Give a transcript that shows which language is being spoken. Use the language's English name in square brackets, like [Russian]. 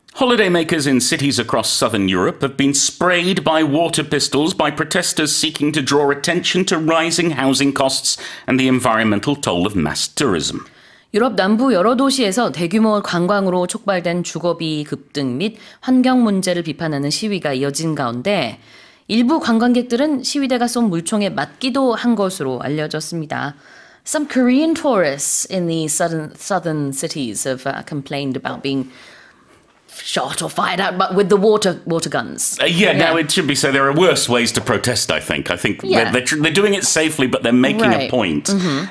[English] Holidaymakers in cities across southern Europe have been sprayed by water pistols by protesters seeking to draw attention to rising housing costs and the environmental toll of mass tourism. [Korean] 유럽 남부 여러 도시에서 대규모 관광으로 촉발된 주거비 급등 및 환경 문제를 비판하는 시위가 이어진 가운데 일부 관광객들은 시위대가 쏜 물총에 맞기도 한 것으로 알려졌습니다. [English] Some Korean tourists in the southern cities have complained about being shot or fired at, but with the water guns. Now it should be said, so there are worse ways to protest, I think. I think they're doing it safely, but they're making a point. Mm-hmm.